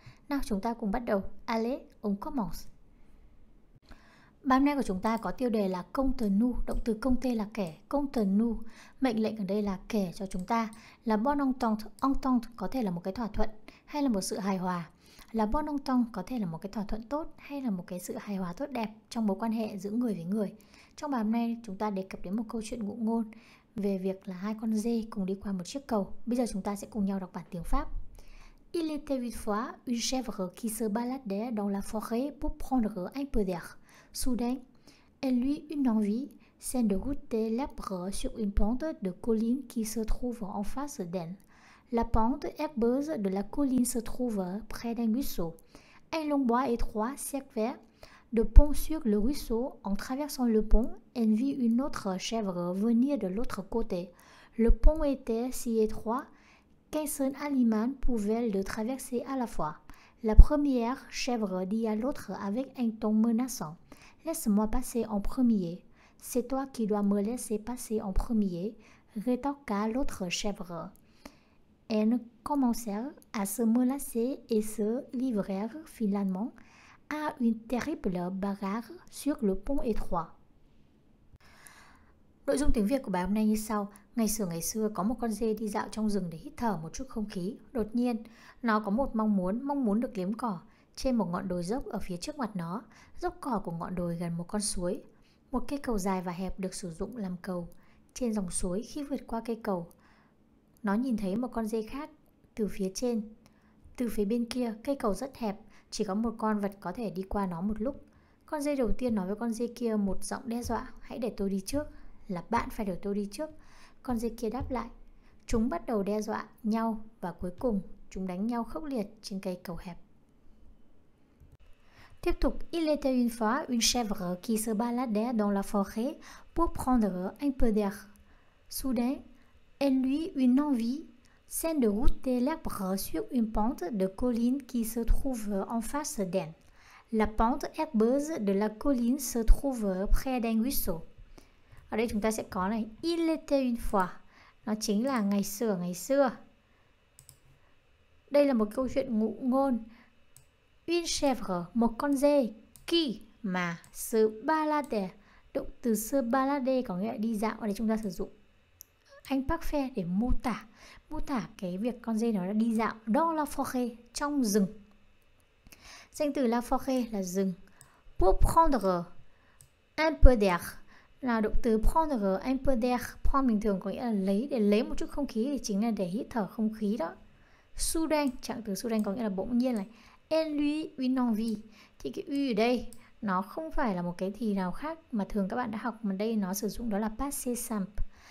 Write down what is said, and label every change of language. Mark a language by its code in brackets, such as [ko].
[vi] Nào chúng ta cùng bắt đầu, [fr] allez, on commence. [vi] Bài hôm nay của chúng ta có tiêu đề là công tờ nu, động từ công tê là kẻ, công tờ nu, mệnh lệnh ở đây là kẻ cho chúng ta, là bon entente, entente có thể là một cái thỏa thuận hay là một sự hài hòa. La bonne entente có thể là một cái thỏa thuận tốt hay là một cái sự hài hòa tốt đẹp trong mối quan hệ giữa người với người. Trong bài hôm nay chúng ta đề cập đến một câu chuyện ngụ ngôn về việc là hai con dê cùng đi qua một chiếc cầu. Bây giờ chúng ta sẽ cùng nhau đọc bản tiếng Pháp. [fr] Il était une fois une chèvre qui se baladait dans la forêt pour prendre un peu d'air. Soudain, elle eut une envie, celle de goûter l'herbe sur une pente de colline qui se trouve en face d'elle. La pente herbeuse de la colline se trouve près d'un ruisseau. Un long bois étroit servait de pont sur le ruisseau. En traversant le pont, elle vit une autre chèvre venir de l'autre côté. Le pont était si étroit qu'un seul animal pouvait le traverser à la fois. La première chèvre dit à l'autre avec un ton menaçant. « Laisse-moi passer en premier. C'est toi qui dois me laisser passer en premier, » rétorqua l'autre chèvre. Elles commencèrent à se menacer et se livrèrent finalement à une terrible bagarre sur le pont étroit. [vi] Nội dung tiếng Việt của bài hôm nay như sau. Ngày xưa có một con dê đi dạo trong rừng để hít thở một chút không khí. Đột nhiên, nó có một mong muốn được liếm cỏ trên một ngọn đồi dốc ở phía trước mặt nó. Dốc cỏ của ngọn đồi gần một con suối. Một cây cầu dài và hẹp được sử dụng làm cầu trên dòng suối khi vượt qua cây cầu. Nó nhìn thấy một con dê khác từ phía trên. Từ phía bên kia, cây cầu rất hẹp, chỉ có một con vật có thể đi qua nó một lúc. Con dê đầu tiên nói với con dê kia một giọng đe dọa, hãy để tôi đi trước, là bạn phải để tôi đi trước. Con dê kia đáp lại. Chúng bắt đầu đe dọa nhau và cuối cùng chúng đánh nhau khốc liệt trên cây cầu hẹp. Tiếp tục, [fr] il était une fois une chèvre qui se baladait dans la forêt pour prendre un peu d'air. Soudain, elle eut une envie, celle de goûter l'herbe sur une pente de colline qui se trouve en face d'elle. La pente herbeuse de la colline se trouve près d'un ruisseau. [vi] Ở đây chúng ta sẽ có này, [fr] il était une fois, [vi] nó chính là ngày xưa. Đây là một câu chuyện ngụ ngôn. [fr] Une chèvre, [vi] một con dê, qui, mà, se balader, động từ se balader có nghĩa là đi dạo, ở đây chúng ta sử dụng. Anh parfait để mô tả cái việc con dê nó đã đi dạo [fr] dans la forêt, [vi] trong rừng. Danh từ la forêt là rừng. [fr] Pour prendre un peu d'air [vi] là động từ [fr] prendre un peu d'air. [vi] Prendre bình thường có nghĩa là lấy, để lấy một chút không khí thì chính là để hít thở không khí đó. Soudain, trạng từ soudain có nghĩa là bỗng nhiên này. [fr] Elle lui une envie [vi] thì cái u ở đây nó không phải là một cái thì nào khác mà thường các bạn đã học, mà đây nó sử dụng đó là passé simple.